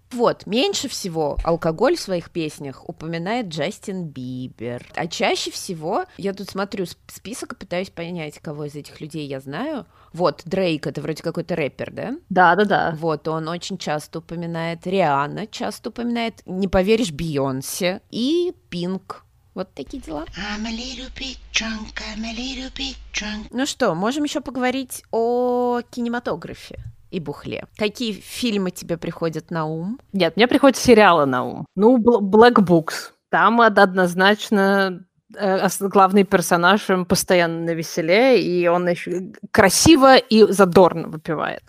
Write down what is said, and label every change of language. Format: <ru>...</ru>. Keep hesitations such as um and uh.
<ru>Вот, меньше всего алкоголь в своих песнях упоминает Джастин Бибер. А чаще всего, я тут смотрю сп- список и пытаюсь понять, кого из этих людей я знаю. Вот, Дрейк, это вроде какой-то рэпер, да? Да-да-да. Вот, он очень часто упоминает Риана, часто упоминает, не поверишь, Бейонсе и Пинк. Вот такие дела.</ru> <en>I'm a little bit drunk, I'm a little bit drunk.</en> <ru>Ну что, можем еще поговорить о кинематографе и бухле. Какие фильмы тебе приходят на ум? Нет, мне приходят сериалы на ум. Ну, Бл- Black Books. Там од- однозначно э, ос- главный персонаж он постоянно на веселе, и он еще красиво и задорно выпивает.</ru>